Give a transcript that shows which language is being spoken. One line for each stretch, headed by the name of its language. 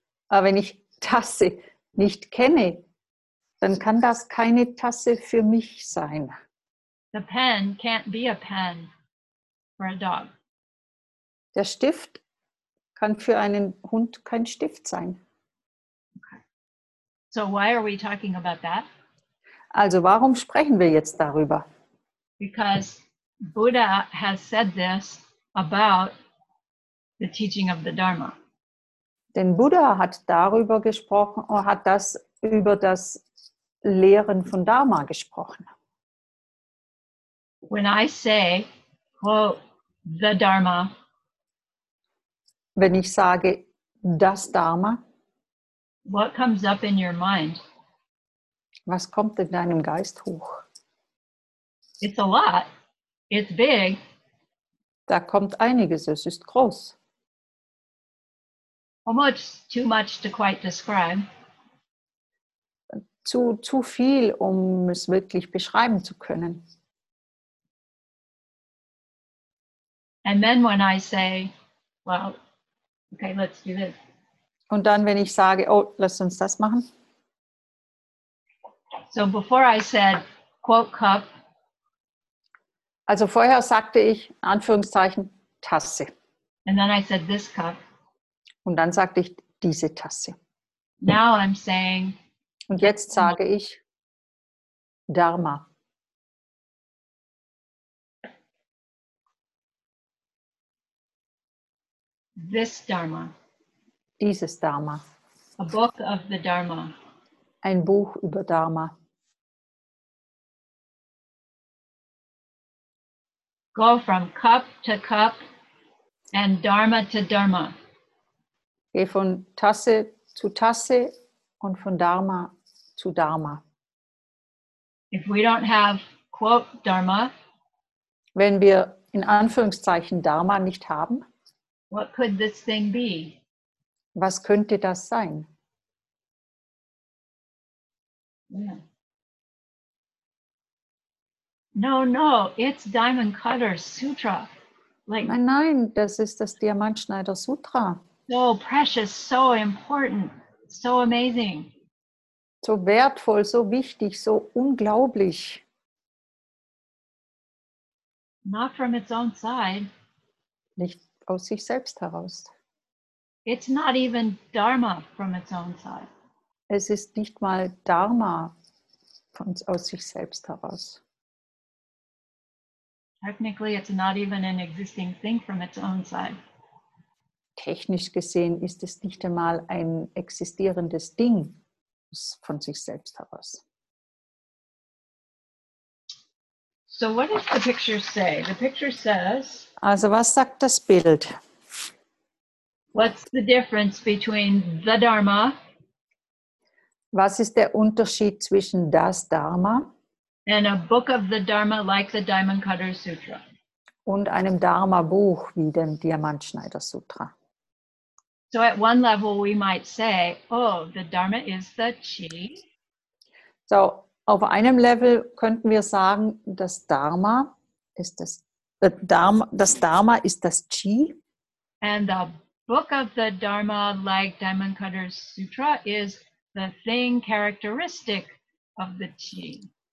German: Wenn ich Tasse nicht kenne, dann kann das keine Tasse für mich sein.
English: The pen can't be a pen for a dog.
German: Der Stift kann für einen Hund kein Stift sein.
English: Okay. So why are we talking about that?
German: Also warum sprechen wir jetzt darüber?
English: Because Buddha has said this about the teaching of the Dharma.
German: Denn Buddha hat darüber gesprochen und hat das über das Lehren von Dharma gesprochen.
English: When I say, quote, the Dharma,
German: wenn ich sage, das Dharma,
English: what comes up in your mind?
German: Was kommt in deinem Geist hoch?
English: It's a lot. It's big.
German: Da kommt einiges, es ist groß.
English: Almost too much to quite describe.
German: Zu viel, um es wirklich beschreiben zu können.
English: And then when I say, well, okay, let's do this.
German: Und dann, wenn ich sage, oh, lass uns das machen.
English: So before I said, quote, cup.
German: Also vorher sagte ich, Anführungszeichen, Tasse.
English: And then I said, this cup.
German: Und dann sagte ich, diese Tasse.
English: Now I'm saying.
German: Und jetzt sage ich, Dharma.
English: This Dharma.
German: Dieses Dharma.
English: A book of the Dharma.
German: Ein Buch über Dharma.
English: Go from cup to cup and Dharma to Dharma.
German: Geh von Tasse zu Tasse und von Dharma zu Dharma.
English: If we don't have, quote, Dharma,
German: wenn wir in Anführungszeichen Dharma nicht haben,
English: what could this thing be?
German: Was könnte das sein?
English: Yeah. No, it's Diamond Cutter Sutra. Like,
German: nein, nein, das ist das Diamantschneider Sutra.
English: So precious, so important, so amazing.
German: So wertvoll, so wichtig, so unglaublich.
English: Not from its own side.
German: Nicht aus sich selbst heraus.
English: It's not even Dharma from its own side.
German: Es ist nicht mal Dharma aus sich selbst heraus.
English: Technically, it's not even an existing thing from its own side.
German: Technisch gesehen ist es nicht einmal ein existierendes Ding von sich selbst heraus.
English: So what does the picture say? The picture says,
German: also was sagt das Bild?
English: What's the difference between the Dharma?
German: Was ist der Unterschied zwischen das Dharma?
English: And a book of the Dharma like the Diamond Cutter Sutra.
German: Und einem Dharma-Buch wie dem Diamantschneider Sutra.
English: So at one level we might say, oh, the Dharma is the chi.
German: So auf einem Level könnten wir sagen, das Dharma ist das Dharma ist das chi.
English: And the book of the Dharma like Diamond Cutter Sutra is the thing characteristic of the chi.